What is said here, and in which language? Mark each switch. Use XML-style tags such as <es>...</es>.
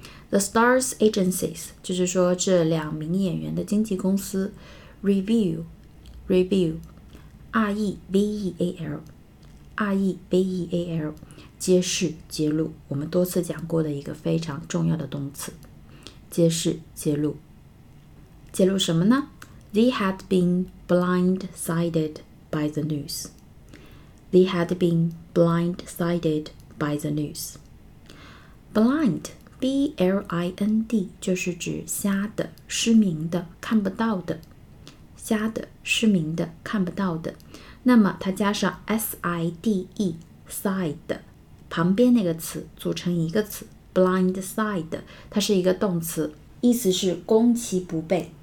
<en>The stars' agencies,</en> <zh>就是说这两名演员的经纪公司 review, R-E-V-E-A-L, 揭示、揭露，我们多次讲过的一个非常重要的动词。揭示揭露。揭露什么呢？</zh> <en>They had been blindsided by the news. They had been blindsided by the news.</en> <zh>Blind, B-L-I-N-D, 就是指瞎的、失明的、看不到的。瞎的、失明的、看不到的。那么它加上 S-I-D-E, side, 旁边那个词组成一个词 blindsided, 它是一个动词，意思是攻其不备。</zh>